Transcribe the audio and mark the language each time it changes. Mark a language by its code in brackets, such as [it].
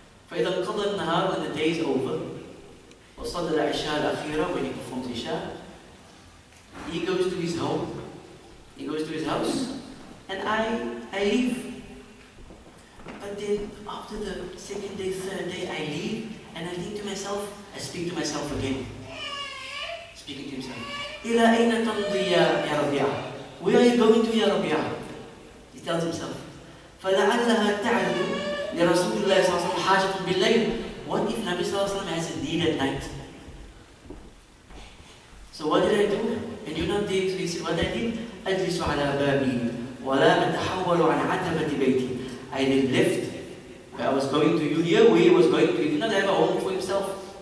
[ar] فَإِذَا قَضَى النَّهَارُ, [en] when the day is over, [ar] وَصَلَّى الْعِشَاء الْأَخِيرَ, [en] when he performs Isha, he goes to his home, he goes to his house, and I leave. But then, after the second day, third day, I leave, and I think to myself, I speak to myself again. Speaking to himself. [ar] إِلَىٰ أَيْنَ تَمْضِي يَا رَبِيعَ. [en] Where are you going to, Ya Rabi'ah? He tells himself, [ar] فَلَعَلَّهَا تَعْلُمُ لِرَسُولِ اللَّهِ صَلَّى اللَّهُ عَلَيْهِ وَسَلَّمَ حَاجَةٌ بِاللَّيْلِ. [en] What if Nabi Sallallahu Alaihi Wasallam has a need at night? So what did I do? And you're not there, so he said, what I did? [ar] أَجْلِسُ عَلَىٰ بَابِي ولا أتحول عن عتبة بيتي. [en] I didn't lift. I was going to Yulia, where he was going to. He did not have a home for himself.